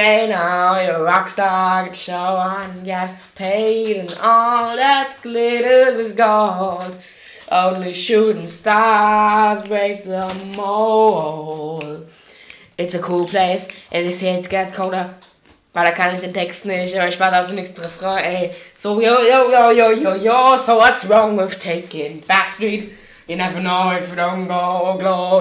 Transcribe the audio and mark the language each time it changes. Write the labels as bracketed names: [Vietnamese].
[English] Hey now, you're a rock star. Get the show on, get paid. And all that glitters is gold. Only shooting stars break the mold. It's a cool place, and it's here to get colder. [German] Weil da kann ich den Text nicht, aber ich warte auf den nächsten Refrain, ey. [English] So, yo, so what's wrong with taking Backstreet? You never know if you don't go, glow.